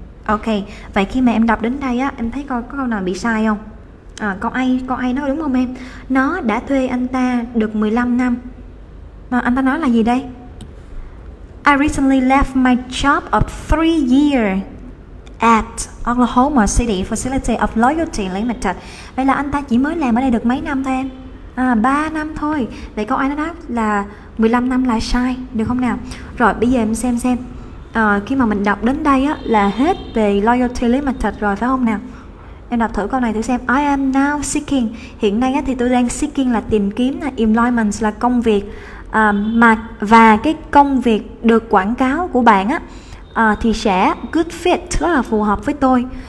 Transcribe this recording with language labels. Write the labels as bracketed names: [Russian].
[Vietnamese] Ok, vậy khi mà em đọc đến đây á, em thấy có câu nào bị sai không? Câu A nói đúng không em? Nó đã thuê anh ta được 15 năm. Mà anh ta nói là gì đây? [English] I recently left my job of 3 years at Oklahoma City Facility of Loyalty Limited. [Vietnamese] Vậy là anh ta chỉ mới làm ở đây được mấy năm thôi em? 3 năm thôi. Vậy câu A nó nói là 15 năm là sai, được không nào? Rồi bây giờ em xem. Khi mà mình đọc đến đây á, là hết về Loyalty Limited rồi phải không nào? Em đọc thử câu này thử xem. [English] I am now seeking. [Vietnamese] Hiện nay á, thì tôi đang seeking là tìm kiếm, là employment là công việc, và cái công việc được quảng cáo của bạn á, thì sẽ good fit, rất là phù hợp với tôi.